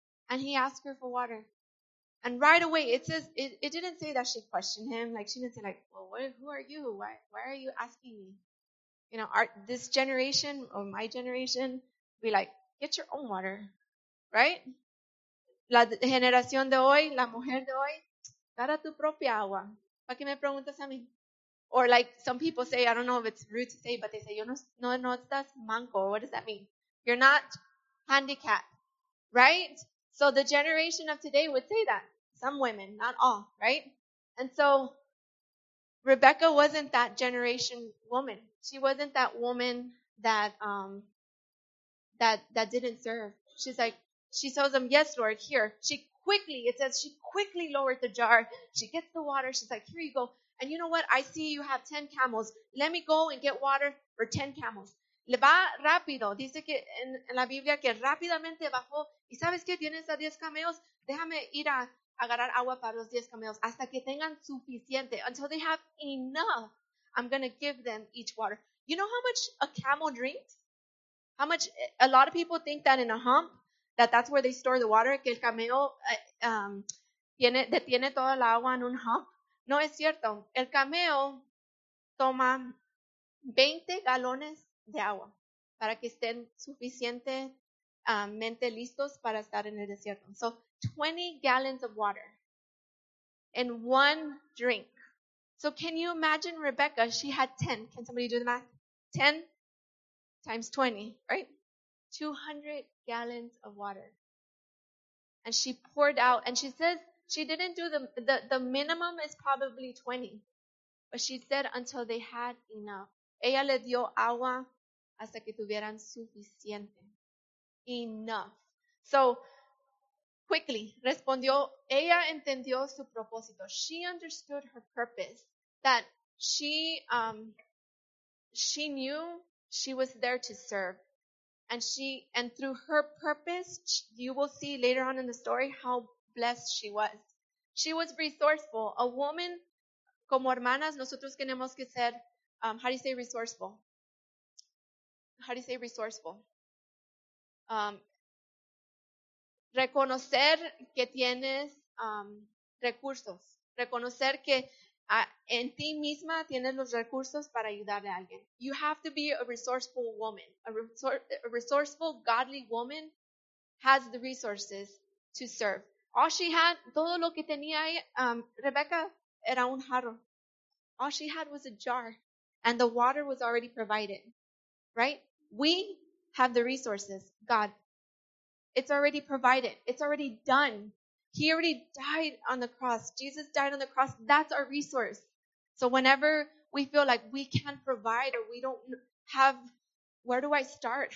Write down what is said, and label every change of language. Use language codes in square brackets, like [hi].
[en] And he asks her for water. And right away, it says, it didn't say that she questioned him. Like, she didn't say, like, well, who are you? Why are you asking me? You know, this generation or my generation, be like, get your own water, right? [es] La generación de hoy, la mujer de hoy, dará tu propia agua. ¿Para qué me preguntas a mí? [en] Or like some people say, I don't know if it's rude to say, but they say, [es] yo no estás manco. [en] What does that mean? You're not handicapped, right? So the generation of today would say that. Some women, not all, right? And so Rebecca wasn't that generation woman. She wasn't that woman that that didn't serve. She's like, she tells him, yes, Lord, here. She quickly lowered the jar. She gets the water. She's like, here you go. And you know what? I see you have 10 camels. Let me go and get water for 10 camels. [es] Le va rápido. Dice que en la Biblia que rápidamente bajó. ¿Y sabes qué? Tienes a 10 camels. Déjame ir a agarrar agua para los 10 camellos hasta que tengan suficiente. [en] Until they have enough, I'm going to give them each water. You know how much a camel drinks? How much? A lot of people think that in a hump, that's where they store the water, [es] que el camello detiene toda la agua en un [en] hump. [es] No es cierto. El camello toma 20 galones de agua para que estén suficientemente listos para estar en el desierto. [en] So, 20 gallons of water in one drink. So can you imagine Rebecca? She had 10. Can somebody do the math? 10 times 20, right? 200 gallons of water. And she poured out. And she says she didn't do the minimum is probably 20. But she said until they had enough. [es] Ella le dio agua hasta que tuvieran suficiente. [en] Enough. So quickly, [es] respondió, ella entendió su propósito. [en] She understood her purpose, that she knew she was there to serve. And through her purpose, you will see later on in the story how blessed she was. She was resourceful. A woman, [es] como hermanas, nosotros tenemos que ser, [en] how do you say resourceful? How do you say resourceful? [es] Reconocer que tienes recursos. Reconocer que en ti misma tienes los recursos para ayudarle a alguien. [en] You have to be a resourceful woman. A resourceful, godly woman has the resources to serve. All she had, [es] todo lo que tenía Rebecca, era un jarro. [en] All she had was a jar, and the water was already provided. Right? We have the resources. God. It's already provided. It's already done. He already died on the cross. Jesus died on the cross. That's our resource. So whenever we feel like we can't provide or we don't have, where do I start?